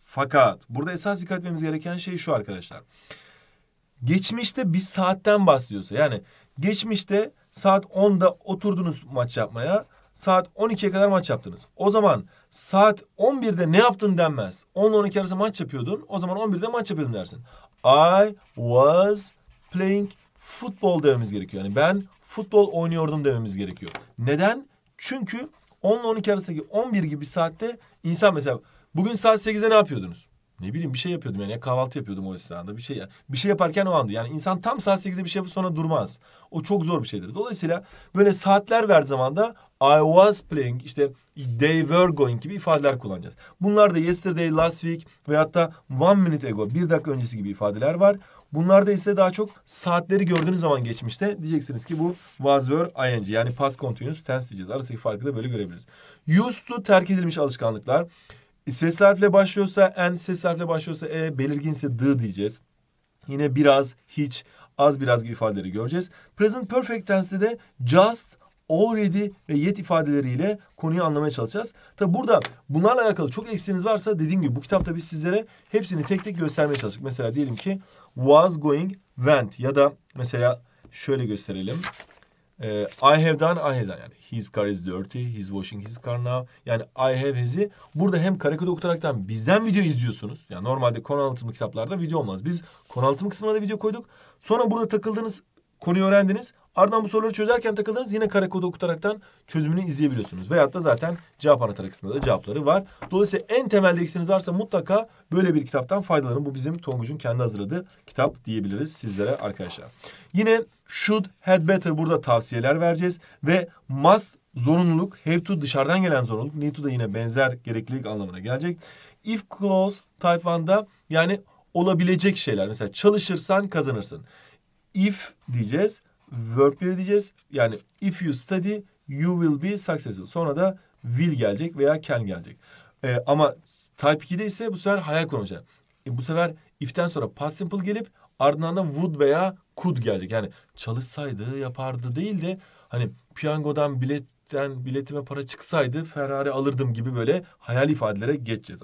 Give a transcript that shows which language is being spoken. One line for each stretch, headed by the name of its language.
Turkish: Fakat burada esas dikkat etmemiz gereken şey şu arkadaşlar. Geçmişte bir saatten bahsediyorsa, yani geçmişte saat 10'da oturdunuz maç yapmaya, saat 12'ye kadar maç yaptınız. O zaman saat 11'de ne yaptın denmez. 10 ile 12 arası maç yapıyordun, o zaman 11'de maç yapıyordun dersin.
English: I was playing football
Turkish: dememiz gerekiyor. Yani ben futbol oynuyordum dememiz gerekiyor. Neden? Çünkü 10 ile 12 arasındaki 11 gibi bir saatte insan mesela bugün saat 8'de ne yapıyordunuz? Ne bileyim bir şey yapıyordum yani ya kahvaltı yapıyordum o esnada bir şey ya. Bir şey yaparken o andı yani insan tam saat 8'de bir şey yapıp sonra durmaz. O çok zor bir şeydir. Dolayısıyla böyle saatler verdiği zaman da
English: I was playing
Turkish: işte
English: they were going
Turkish: gibi ifadeler kullanacağız. Bunlar da yesterday, last week veyahut da one minute ago bir dakika öncesi gibi ifadeler var. Bunlarda ise daha çok saatleri gördüğünüz zaman geçmişte diyeceksiniz ki bu was, were, ing yani past continuous tense diyeceğiz. Arasındaki farkı da böyle görebiliriz. Used to terk edilmiş alışkanlıklar. Ses harfle başlıyorsa en, ses harfle başlıyorsa e, belirginse d diyeceğiz. Yine biraz, hiç, az biraz gibi ifadeleri göreceğiz. Present perfect tense'de de just, already ve yet ifadeleriyle konuyu anlamaya çalışacağız. Tabi burada bunlarla alakalı çok eksiğiniz varsa dediğim gibi bu kitapta biz sizlere hepsini tek tek göstermeye çalıştık. Mesela diyelim ki was going, went ya da mesela şöyle gösterelim.
English: I have done, I have done. Yani his car is dirty, he's washing his car now.
Turkish: Yani I have has'i. Burada hem karakoda okutaraktan bizden video izliyorsunuz. Yani normalde konu anlatımı kitaplarda video olmaz. Biz konu anlatımı kısmına da video koyduk. Sonra burada takıldığınız konuyu öğrendiniz. Ardından bu soruları çözerken takıldınız. Yine karakoda okutaraktan çözümünü izleyebiliyorsunuz. Veyahut da zaten cevap anahtarı kısmında da cevapları var. Dolayısıyla en temelde eksiğiniz varsa mutlaka böyle bir kitaptan faydalanın. Bu bizim Tonguç'un kendi hazırladığı kitap diyebiliriz sizlere arkadaşlar. Yine should, had better burada tavsiyeler vereceğiz. Ve must zorunluluk, have to dışarıdan gelen zorunluluk, need to da yine benzer gereklilik anlamına gelecek. If clause type 1'da yani olabilecek şeyler. Mesela çalışırsan kazanırsın. If diyeceğiz, verb 1 diyeceğiz.
English: Yani if you study, you will be successful.
Turkish: Sonra da will gelecek veya can gelecek. Ama type 2'de ise bu sefer hayal konacak. Bu sefer if'ten sonra past simple gelip ardından da would veya could gelecek. Yani çalışsaydı, yapardı değil de hani piyangodan biletime para çıksaydı Ferrari alırdım gibi böyle hayal ifadelere geçeceğiz.